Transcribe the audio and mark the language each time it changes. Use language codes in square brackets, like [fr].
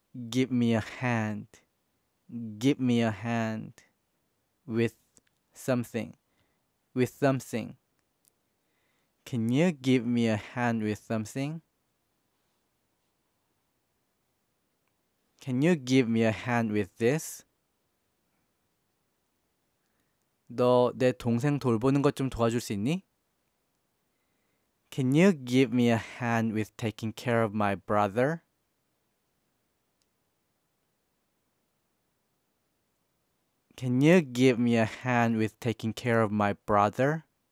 [en] Give me a hand. Give me a hand with something. With something. Can you give me a hand with something? Can you give me a hand with this? [ko] 너 내 동생 돌보는 것 좀 도와줄 수 있니? [en] Can you give me a hand with taking care of my brother? Can you give me a hand with taking care of my brother?